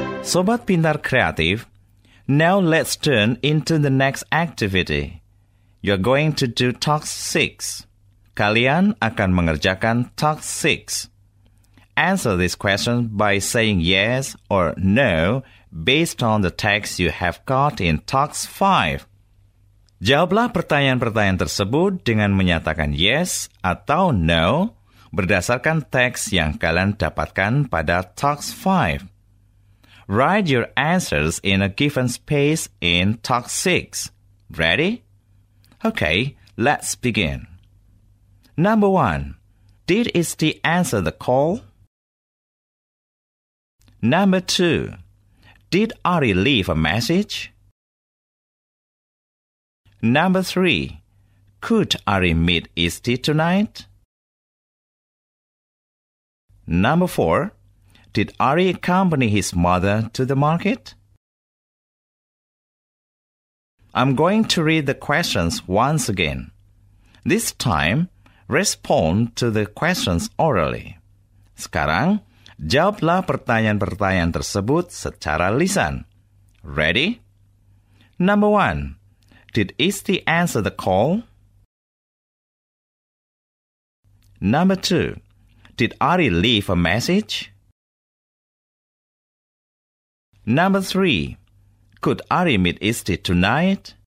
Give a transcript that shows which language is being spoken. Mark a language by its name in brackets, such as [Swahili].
[English] Sobat Pintar Kreatif, now let's turn into the next activity. You're going to do Talk 6. [Indonesian] Kalian akan mengerjakan Talk 6. [English] Answer this question by saying yes or no based on the text you have got in Talk 5. [Indonesian] Jawablah pertanyaan-pertanyaan tersebut dengan menyatakan yes atau no berdasarkan teks yang kalian dapatkan pada Talk 5. [English] Write your answers in a given space in Talk 6. Ready? Okay, let's begin. Number 1. Did Isti answer the call? Number 2. Did Ari leave a message? Number 3. Could Ari meet Isti tonight? Number 4. Did Ari accompany his mother to the market? I'm going to read the questions once again. This time, respond to the questions orally. [Indonesian] Sekarang, jawablah pertanyaan-pertanyaan tersebut secara lisan. [English] Ready? Number 1. Did Isti answer the call? Number 2. Did Ari leave a message? Number 3. Could Ari meet Isti tonight?